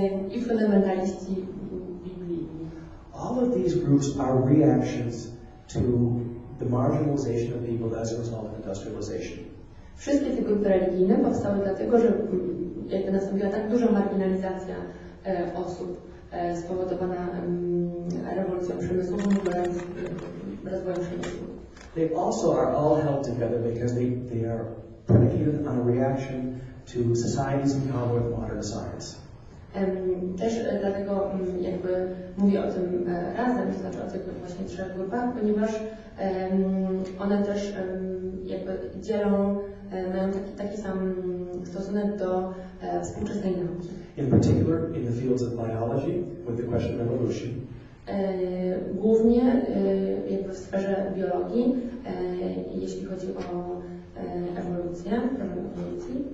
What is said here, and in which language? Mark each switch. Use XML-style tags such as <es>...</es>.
<pl>I fundamentaliści biblijni.</pl> <en>All of these groups are reactions to the marginalization of people as a result of industrialization.</en> <pl>Wszystkie te grupy religijne powstały dlatego, że jakby nastąpiła tak duża marginalizacja osób spowodowana rewolucją przemysłową i rozwojem przemysłu. They also are all held together because they are predicated on a reaction to society's encounter with modern science. Też dlatego jakby mówię o tym razem, to znaczy o tych właśnie 3 grupach, ponieważ one też jakby dzielą, mają taki sam stosunek do współczesnej nauki.</pl> <en>In particular, in the fields of biology, with the question of evolution.</en> <pl>Głównie jakby w sferze biologii, jeśli chodzi o ewolucję, problem ewolucji.</pl>